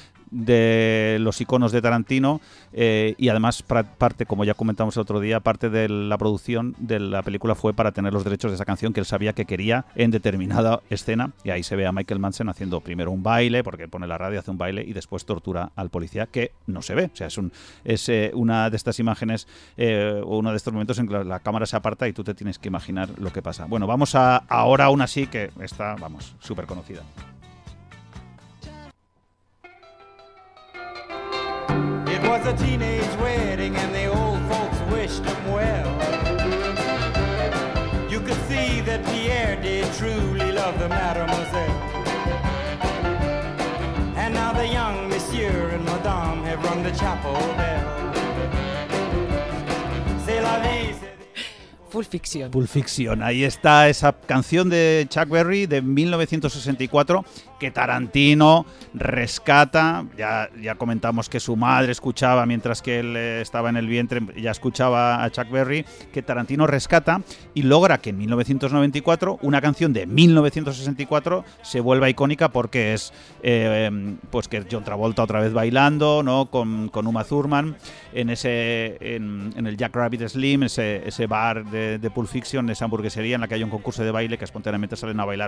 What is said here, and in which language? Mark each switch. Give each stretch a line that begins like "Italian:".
Spanish: de los iconos de Tarantino y además parte, como ya comentamos el otro día, parte de la producción de la película fue para tener los derechos de esa canción que él sabía que quería en determinada escena, y ahí se ve a Michael Madsen haciendo primero un baile, porque pone la radio, hace un baile y después tortura al policía, que no se ve, o sea, es una de estas imágenes o uno de estos momentos en que la cámara se aparta y tú te tienes que imaginar lo que pasa. Bueno, vamos a ahora aún así, que está, vamos, súper conocida.
English: It was a teenage wedding and the old folks wished him well. You could see that Pierre did truly love the mademoiselle. And now the young monsieur and madame have rung the chapel bell.
French: C'est la vie.
Spanish: Pulp Fiction, ahí está esa canción de Chuck Berry de 1964 que Tarantino rescata. Ya comentamos que su madre escuchaba mientras que él estaba en el vientre, ya escuchaba a Chuck Berry, que Tarantino rescata y logra que en 1994 una canción de 1964 se vuelva icónica, porque es pues que John Travolta otra vez bailando, ¿no?, con Uma Thurman en el Jack Rabbit Slim, ese bar de Pulp Fiction, esa hamburguesería en la que hay un concurso de baile que espontáneamente salen a bailar.